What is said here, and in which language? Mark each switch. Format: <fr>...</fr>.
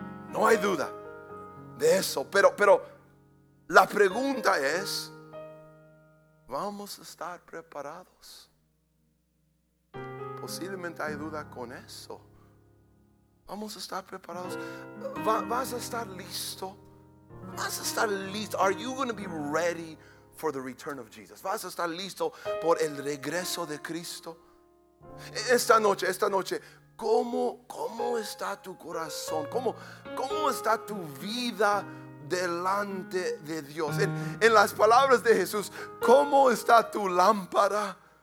<es>No hay duda de eso. Pero la pregunta es: ¿vamos a estar preparados? Posiblemente hay duda con eso. ¿Vamos a estar preparados? ¿Vas a estar listo? ¿Vas a estar listo?</es> <en>Are you going to be ready for the return of Jesus?</en> <es>¿Vas a estar listo por el regreso de Cristo? Esta noche, ¿cómo está tu corazón? ¿Cómo está tu vida delante de Dios? En las palabras de Jesús, ¿cómo está tu lámpara?</es>